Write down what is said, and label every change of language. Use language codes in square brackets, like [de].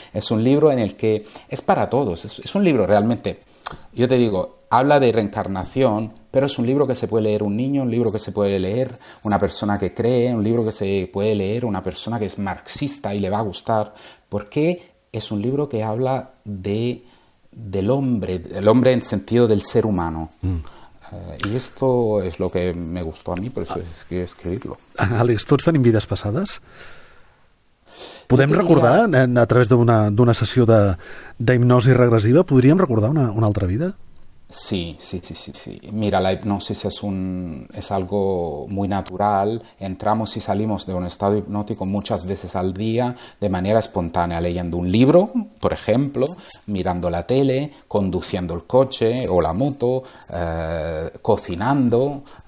[es] Es un libro en el que es para todos, es un libro realmente, yo te digo, habla de reencarnación, pero es un libro que se puede leer un niño, un libro que se puede leer una persona que cree, un libro que se puede leer una persona que es marxista y le va a gustar, porque es un libro que habla del hombre, el hombre en sentido del ser humano. Y esto es lo que me gustó a mí, por eso es que escribirlo. [ca] Àlex, ¿tots tenim vides passades? Podem recordar, a través d'una sessió d'hipnosi regressiva, podríem recordar una altra vida? [es] Sí. Mira, la hipnosis es algo muy natural. Entramos y salimos de un estado hipnótico muchas veces al día, de manera espontánea, leyendo un libro, por ejemplo, mirando la tele, conduciendo el coche o la moto, cocinando.